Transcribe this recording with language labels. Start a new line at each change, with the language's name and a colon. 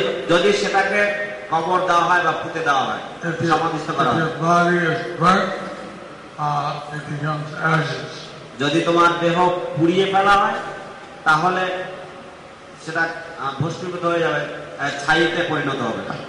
Bangla: যদি সেটাকে কবর দেওয়া হয় বা পুঁতে দেওয়া হয়, সমাধিস্থ করা হয়,
English: it becomes ashes.
Bangla: যদি তোমার দেহ পুড়িয়ে ফেলা হয় তাহলে সেটা ভস্মীভূত হয়ে যাবে, ছাইতে পরিণত হবে।